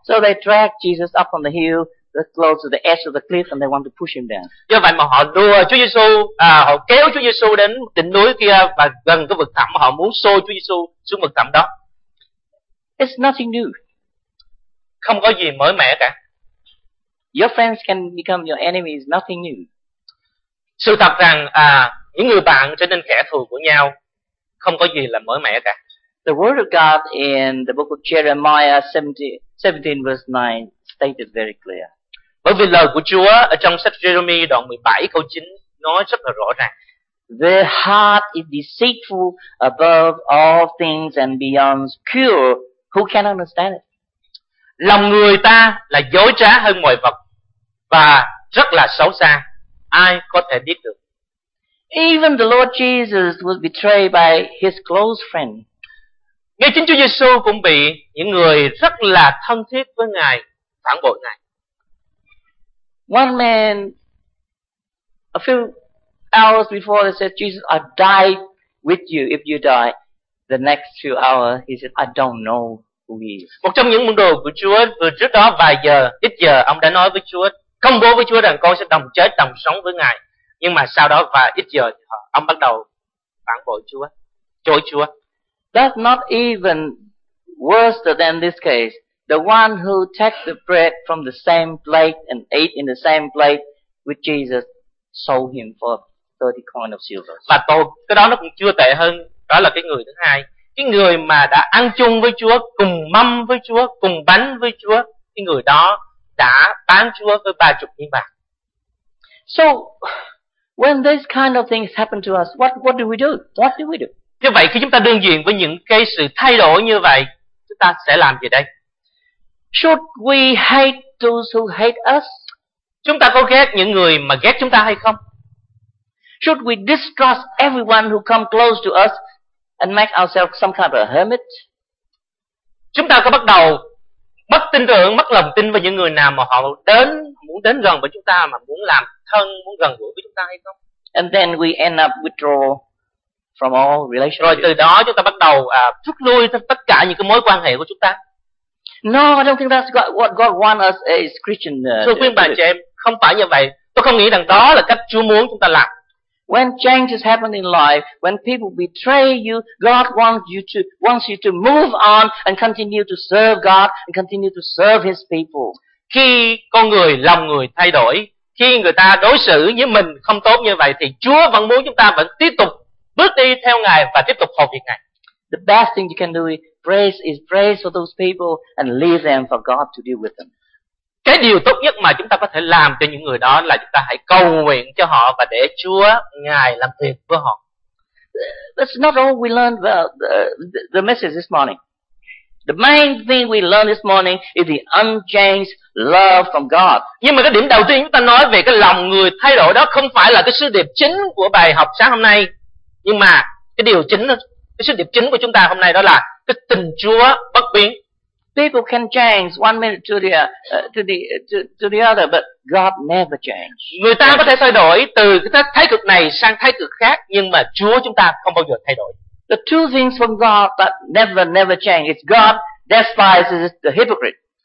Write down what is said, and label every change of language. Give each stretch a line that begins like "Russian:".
English: So they drag Jesus up on the hill, the close to the edge of the cliff, and they want to push him down.
Vietnamese: Do vậy mà họ đưa Chúa Giêsu, họ kéo Chúa Giêsu đến đỉnh núi kia và gần cái vực thẳm, họ muốn xô Chúa Giêsu xuống vực thẳm đó.
English: It's nothing new.
Vietnamese: Không có gì mới mẻ cả.
English: Your friends can become your enemies. Nothing new.
Vietnamese: Sự thật rằng những người bạn trở nên kẻ thù của nhau không có gì là mới mẻ cả.
English: The word of God in the book of Jeremiah 17:9 stated very clear.
Vietnamese: Bởi vì lời của Chúa ở trong sách Jeremiah đoạn 17 câu 9 nói rất là rõ ràng.
English: The heart is deceitful above all things and beyond cure. Who can understand it?
Vietnamese: Lòng người ta là dối trá hơn mọi vật và rất là xấu xa. Ai có thể biết được?
English: Even the Lord Jesus was betrayed by his close friend.
Vietnamese: Ngay chính Chúa Giêsu cũng bị những người rất là thân thiết với Ngài phản bội Ngài.
English: One man, a few hours before, they said, "Jesus, I died with you. If you die, the next few hours, he said, I don't know who he is."
Vietnamese: Một trong những môn đồ của Chúa vừa trước đó vài giờ, ít giờ, ông đã nói với Chúa, công bố với Chúa rằng con sẽ đồng chết đồng sống với Ngài. Nhưng mà sau đó và ít giờ, ông bắt đầu phản bội Chúa, chối Chúa.
English: That's not even worse than this case. The one who took the bread from the same plate and ate in the same plate with Jesus sold him for 30 coins of silver.
Vietnamese: Và cái đó nó cũng chưa tệ hơn, đó là cái người thứ hai. Cái người mà đã ăn chung với Chúa, cùng mâm với Chúa, cùng bánh với Chúa, cái người đó đã bán Chúa với 30 miếng bạc.
English: So when these kind of things happen to us, what do we do? What do we do?
Vietnamese: Như vậy khi chúng ta đương diện với những cái sự thay đổi như vậy, chúng ta sẽ làm gì đây?
English: Should we hate those who hate us?
Vietnamese: Chúng ta có ghét những người mà ghét chúng ta hay không?
English: Should we distrust everyone who come close to us and make ourselves some kind of a hermit?
Vietnamese: Chúng ta có bắt đầu mất tin tưởng, mất lòng tin vào những người nào mà họ đến muốn đến gần với chúng ta mà muốn làm thân, muốn gần gũi với chúng ta hay không?
English: And then we end up withdraw from all relationships.
Vietnamese: Rồi từ đó chúng ta bắt đầu rút lui tất cả những cái mối quan hệ của chúng ta.
English: No, I don't think that's what God wants us as Christian.
Vietnamese: Thưa quý bà chị em, không phải như vậy. Tôi không nghĩ rằng đó là cách Chúa muốn chúng ta làm.
English: When changes happen in life, when people betray you, God wants you to move on and continue to serve God and continue to serve His people.
Vietnamese: Khi con người, lòng người thay đổi, khi người ta đối xử với mình không tốt như vậy, thì Chúa vẫn muốn chúng ta vẫn tiếp tục bước đi theo Ngài và tiếp tục hầu việc Ngài.
English: The best thing you can do is praise for those people and leave them for God to deal with them.
Vietnamese: Cái điều tốt nhất mà chúng ta có thể làm cho những người đó là chúng ta hãy cầu nguyện cho họ và để Chúa Ngài làm việc với họ.
English: That's not all we learned about the message this morning. The main thing we learned this morning is the unchanged love from God.
Vietnamese: Nhưng mà cái điểm đầu tiên chúng ta nói về cái lòng người thay đổi đó không phải là cái sứ điệp chính của bài học sáng hôm nay. Nhưng mà cái điều chính, cái sứ điệp chính của chúng ta hôm nay đó là cái tình Chúa bất biến.
English: People can change one minute to the other, but God never changes.
Vietnamese: Người ta có thể thay đổi từ cái thái cực này sang thái cực khác, nhưng mà Chúa chúng ta không bao giờ thay đổi.
English: The two things from God that never change is God despises the hypocrite.